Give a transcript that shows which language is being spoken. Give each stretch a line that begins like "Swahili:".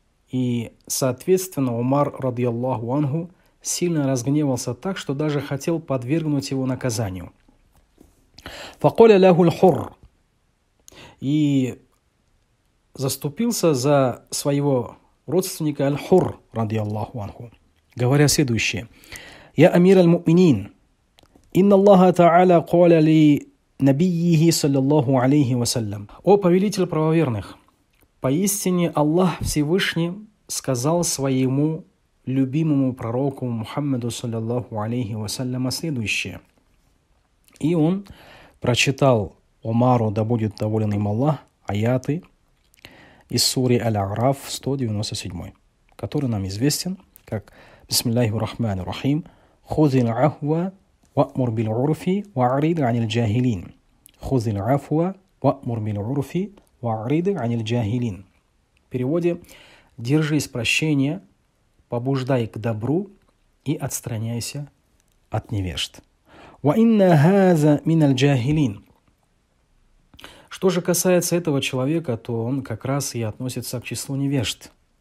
Russian: И, соответственно, Умар, радиаллаху анху, сильно разгневался так, что даже хотел подвергнуть его наказанию.
Arabic: فَقَالَ لَهُ الْحُرُّ.
Russian: И заступился за своего родственника Аль-Хур, ради Аллаху анху, говоря следующее:
Arabic: «Я амир аль-муминин. Инна Аллаха та'аля قَالَ لِي نَبِيِّهِ صَلَّى اللَّهُ عَلَيْهِ وَسَلَّمُ.
Russian: О повелитель правоверных! Поистине Аллах Всевышний сказал своему любимому пророку Мухаммаду, саллиллаху алейхи вассаляма, следующее. И он прочитал Умару, да будет доволен им Аллах, аяты из суры Аль-Араф 197, который нам известен как
Arabic: «Бисмиллахи рахмани рахим, хузиль ахва ва'мур биль урфи ва'рид анил джахилин, خذ العفو وأمر بالعرف وأعرض عن الجاهلين.
Russian: Переводе: держись прощения, побуждай к добру и отстраняйся от невежд.
Arabic: وَإِنَّ هَذَا مِنَ الْجَاهِلِينَ.
Russian: Что же касается этого человека, то он как раз и относится к числу невежд.